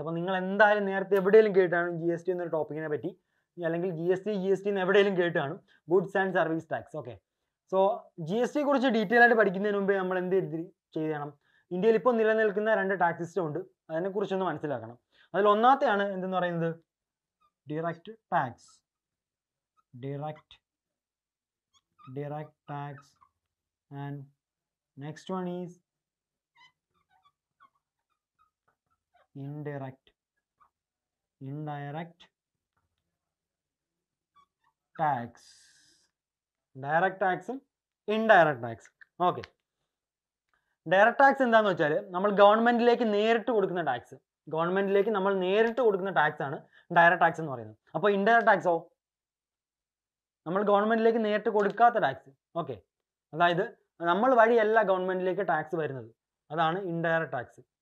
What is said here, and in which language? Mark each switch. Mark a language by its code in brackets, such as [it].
[ml] അപ്പോൾ നിങ്ങൾ എന്തായാലും നേരത്തെ എവിടെയെങ്കിലും കേട്ടാണ് ജി എസ് ടി എന്നൊരു ടോപ്പിക്കിനെ പറ്റി, അല്ലെങ്കിൽ G S T G S T എന്ന് എവിടെയെങ്കിലും കേട്ടാണ് goods and service tax. Okay, so G S ടിയെ കുറിച്ച് ഡീറ്റെയിൽ ആയിട്ട് പഠിക്കുന്നതിന് മുമ്പേ നമ്മൾ എന്ത് ചെയ്യണം, ഇന്ത്യയിൽ ഇപ്പോൾ നിലനിൽക്കുന്ന രണ്ട് ടാക്സ് സിസ്റ്റം ഉണ്ട്, അതിനെക്കുറിച്ചൊന്ന് മനസ്സിലാക്കണം. അതിൽ ഒന്നാമത്തെയാണ് എന്തെന്ന് പറയുന്നത് direct tax. Direct tax. [en] And next one is indirect tax. Direct tax, indirect tax. Okay. [ml] Direct tax എന്താണെന്ന് വെച്ചാൽ നമ്മൾ ഗവൺമെൻറ്റിലേക്ക് നേരിട്ട് കൊടുക്കുന്ന ടാക്സ്, ഗവൺമെൻറ്റിലേക്ക് നമ്മൾ നേരിട്ട് കൊടുക്കുന്ന ടാക്സ് ആണ് ഡയറക്റ്റ് ടാക്സ് എന്ന് പറയുന്നത്. അപ്പോൾ ഇൻഡയറക്റ്റ് ടാക്സോ നമ്മൾ ഗവൺമെൻറ്റിലേക്ക് നേരിട്ട് കൊടുക്കാത്ത ടാക്സ്. ഓക്കെ, അതായത് നമ്മൾ വഴിയല്ല ഗവൺമെന്റിലേക്ക് ടാക്സ് വരുന്നത്, അതാണ് ഇൻഡയറക്റ്റ് ടാക്സ്.